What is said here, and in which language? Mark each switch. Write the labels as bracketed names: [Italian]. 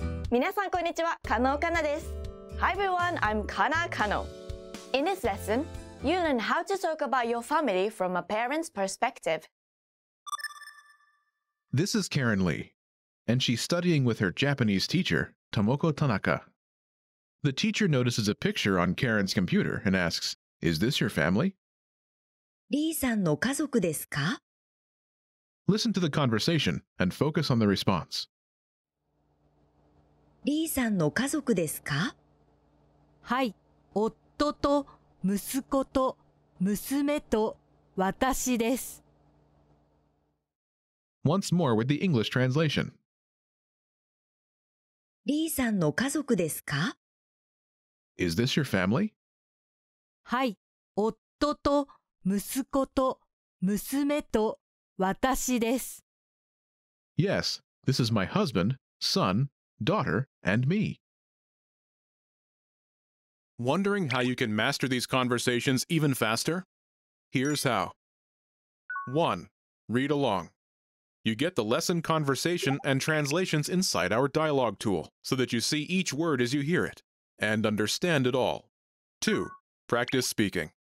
[Japanese] みなさんこんにちは、カノーカナです。 [English] Hi everyone, I'm Kana Kano. In this lesson, you learn how to talk about your family from a parent's perspective. This is Karen Lee, and she's studying with her Japanese teacher, Tomoko Tanaka. The teacher notices a picture on Karen's computer and asks, Is this your family? [Japanese] Lee さんの家族ですか? [English] Listen to the conversation and focus on the response. [Japanese] リーさんの家族ですか? はい、夫と息子と娘と私です。 [English] Once more with the English translation. [Japanese] リーさんの家族ですか? [English] Is this your family? [Japanese] はい、夫と息子と娘と私です。 [English] Yes, this is my husband, son,Daughter and me. Wondering how you can master these conversations even faster? Here's how. 1. Read along. You get the lesson conversation and translations inside our dialogue tool so that you see each word as you hear it and understand it all. 2. Practice speaking.